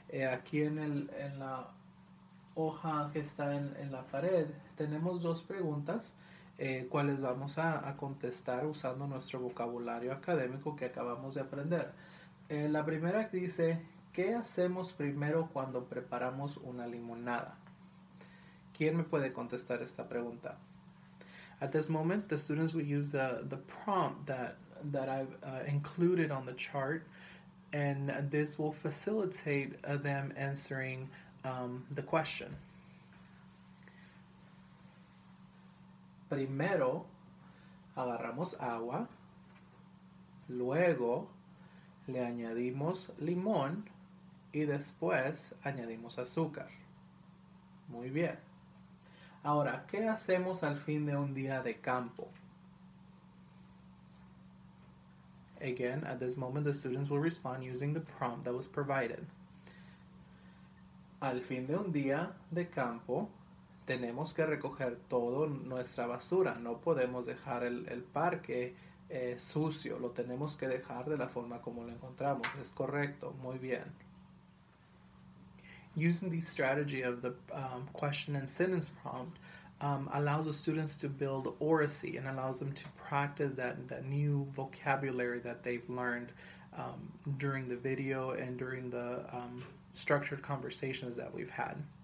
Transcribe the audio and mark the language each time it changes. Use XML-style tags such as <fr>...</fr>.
<es>Aquí en la hoja que está en la pared, tenemos dos preguntas, cuales vamos a contestar usando nuestro vocabulario académico que acabamos de aprender. La primera dice, ¿qué hacemos primero cuando preparamos una limonada? ¿Quién me puede contestar esta pregunta?</es> <en>At this moment, the students will use the prompt that I've included on the chart, and this will facilitate them answering the question.</en> <es>Primero, Agarramos agua, luego le añadimos limón y después añadimos azúcar. Muy bien. Ahora, ¿qué hacemos al fin de un día de campo?</es> <en>Again, at this moment, the students will respond using the prompt that was provided.</en> <es>Al fin de un día de campo, tenemos que recoger toda nuestra basura. No podemos dejar el parque sucio. Lo tenemos que dejar de la forma como lo encontramos. Es correcto. Muy bien.</es> <en>Using the strategy of the question and sentence prompt allows the students to build oracy and allows them to practice that new vocabulary that they've learned during the video and during the structured conversations that we've had.</en>